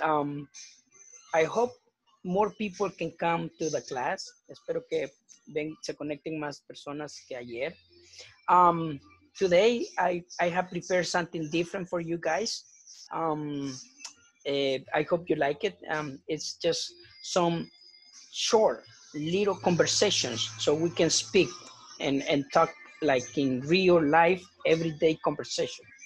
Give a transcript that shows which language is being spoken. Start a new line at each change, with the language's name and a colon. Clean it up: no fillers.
English: I hope more people can come to the class.
Spanish: Espero que se conecten más personas que ayer.
English: Today, I have prepared something different for you guys. I hope you like it. It's just some short little conversations so we can speak and talk like in real life, everyday conversation.